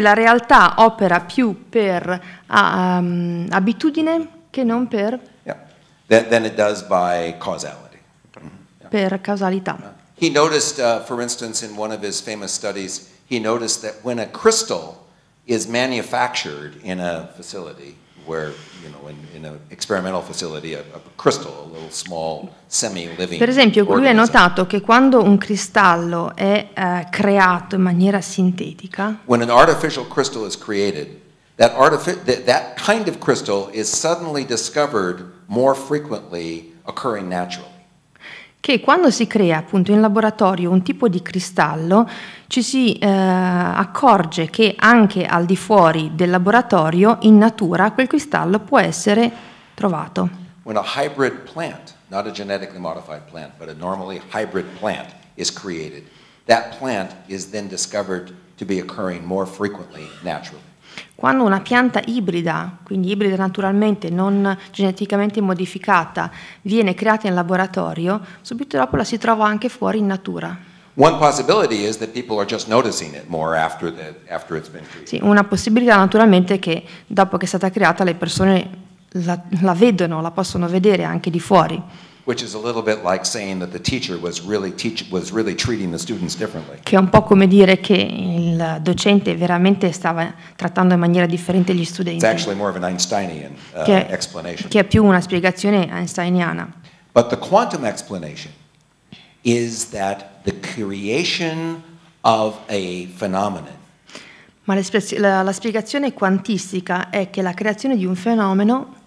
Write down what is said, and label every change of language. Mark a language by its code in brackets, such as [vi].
[it] la realtà opera più per abitudine che non per... [en] Yeah. than it does by causality. [it] Per causalità. [en] He noticed, for instance, in one of his famous studies, he noticed that when a crystal is manufactured in a facility where, you know, in an experimental facility, a crystal, a little small semi-living. [it] Per esempio, lui ha notato che quando un cristallo è creato in maniera sintetica. [en] When an artificial crystal is created, that kind of crystal is suddenly discovered more frequently occurring naturally. [it] Che quando si crea appunto in laboratorio un tipo di cristallo ci si accorge che anche al di fuori del laboratorio in natura quel cristallo può essere trovato. [en] When a hybrid plant, not a genetically modified plant, but a normally hybrid plant is created, that plant is then discovered to be occurring more frequently naturally. [it] Quando una pianta ibrida, quindi ibrida naturalmente, non geneticamente modificata, viene creata in laboratorio, subito dopo la si trova anche fuori in natura. [en] One possibility is that people are just noticing it more after it's been created. [it] Sì, una possibilità naturalmente è che dopo che è stata creata le persone la vedono, la possono vedere anche di fuori. [en] Which is a little bit like saying that the teacher was really treating the students differently. [it] Che è un po' come dire che il docente veramente stava trattando in maniera differente gli studenti. [en] It's actually more of an Einsteinian explanation. [it] Che è più una spiegazione einsteiniana. [en] But the quantum explanation is that the creation of a phenomenon. [it] Ma la spiegazione quantistica è che la creazione di un fenomeno